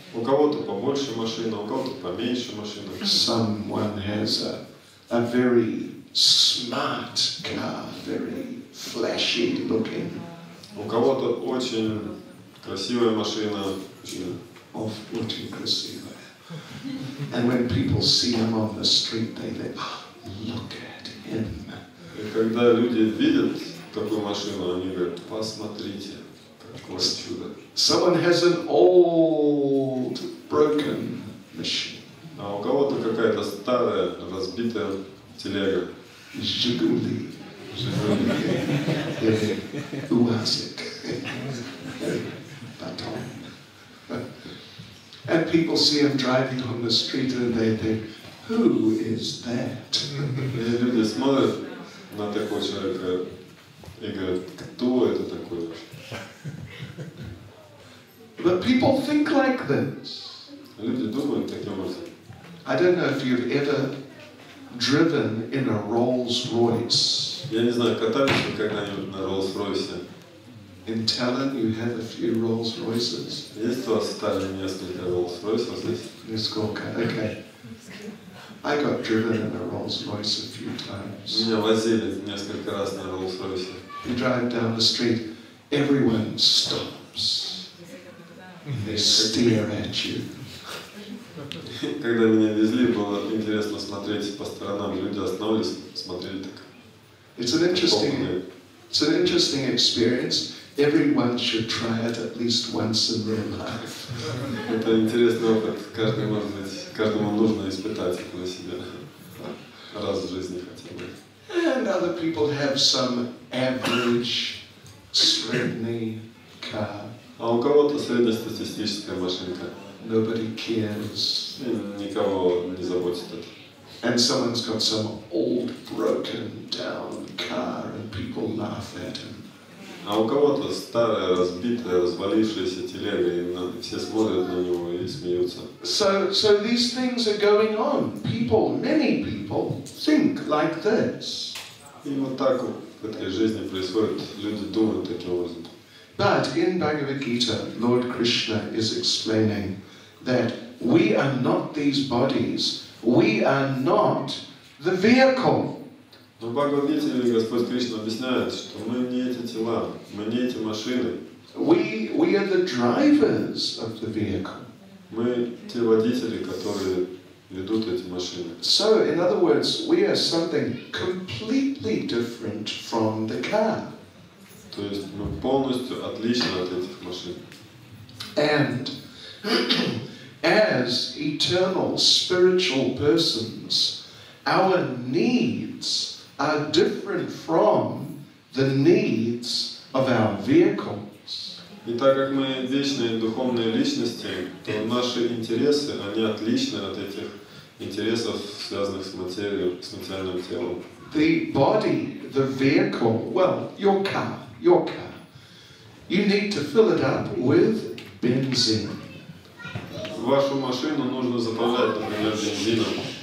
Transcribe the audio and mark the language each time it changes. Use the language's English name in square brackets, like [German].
[Russian] У кого-то побольше машина, у кого-то поменьше машина. [English] Someone has a very smart car, very flashy looking. [Russian] У кого-то очень красивая машина. Очень красивая. [English] And when people see him on the street, they think, oh, look at him. [Russian] И когда люди видят такую машину, они говорят, посмотрите, какое чудо. [English] Someone has an old, broken machine. [Russian] А у кого-то какая-то старая, разбитая телега. Жигули. Жигули. Уазик. Батон. [English] And people see him driving on the street and they think, who is that? [Russian] Люди смотрят на такого человека и говорят, кто это такой? [English] But people think like this. [Russian] Люди думают таким образом. [English] I don't know if you've ever driven in a Rolls-Royce. [Russian] Я не знаю, катались вы когда-нибудь на Rolls-Royce? [English] In Tallinn, you have a few Rolls-Royces. [Russian] Есть у вас в Таллине несколько Rolls-Royce здесь? [English] It's cool. Okay. I got driven in a Rolls-Royce a few times. [Russian] Меня возили несколько раз на Rolls-Royce. [English] You drive down the street, everyone stops. They stare at you. [Russian] Когда меня везли, было интересно смотреть по сторонам. Люди остановились, смотрели так. [English] It's an interesting experience. Everyone should try it at least once in their life. [Russian] Это интересный опыт. Каждому, может быть, каждому нужно испытать это на себе. Раз в жизни хотя бы. [English] And other people have some average [Russian] средний [English] car. [Russian] А у кого-то среднестатистическая машинка. [English] Nobody cares. [Russian] Никого не заботит это. [English] And someone's got some old broken down car and people laugh at him. [Russian] А у кого-то старая, разбитая, развалившаяся телега, и все смотрят на него и смеются. [English] So these things are going on. People, many people think like this. [Russian] И вот так в этой жизни происходит. Люди думают таким образом. [English] But in Bhagavad Gita, Lord Krishna is explaining that we are not these bodies. We are not the vehicle. [Russian] Но Бхагавад-гите Господь Кришна объясняет, что мы не эти тела, мы не эти машины. [English] We are the drivers of the vehicle. [Russian] Мы те водители, которые ведут эти машины. [English] So, in other words, we are something completely different from the car. [Russian] То есть мы полностью отличны от этих машин. [English] And as eternal spiritual persons, our needs are different from the needs of our vehicles. [Russian] И так как мы вечные духовные личности, то наши интересы, они отличны от этих интересов, связанных с материей, с материальным телом. [English] The body, the vehicle, well, your car, you need to fill it up with benzene. [Russian] Вашу машину нужно заправлять, например, бензином.